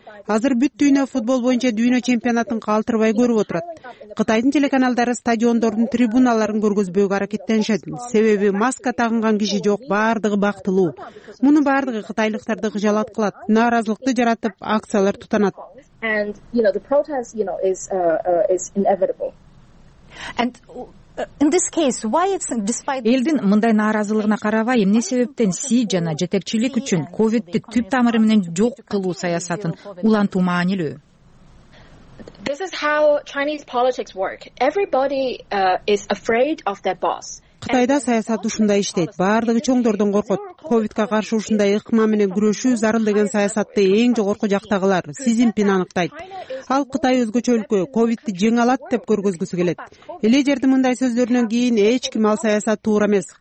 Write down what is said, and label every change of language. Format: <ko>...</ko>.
<ky>Азыр бүт дүйнө футбол боюнча дүйнө чемпионатын калтырбай көрүп отурат. Кытайдын телеканалдары стадиондордун трибуналарын көргөзбөйгө аракеттенишет. Себеби маска тагынган киши жок, баардыгы бактылуу. Мунун баардыгы кытайлыктарды кыжалат кылат, нааразылыкты жаратып, акциялар тутанат.</ky> <en>And you know the protest you know is inevitable. And in this case why it's despite</en> <ky>элдин мындай нааразылыгына карабай эмне себептен си жана жетекчилик үчүн ковидди түп тамыры менен жок кылуу саясатын улантуу маанилүү.</ky> <en>This is how Chinese politics work. Everybody is afraid of their boss.</en> <ky>Кытайда саясат ушундай иштейт. Баардыгы чоңдордон коркот. Ковидке каршы ушундай ыкма менен күрөшүү зарыл деген саясатты эң жогорку жактагылар Си Цзиньпин аныктайт. Ал Кытай өзгөчө өлкө, ковидди жеңе алат деп көргөзгүсү келет. Лидердин мындай сөздөрүнөн кийин эч ким ал саясат туура эмес.</ky>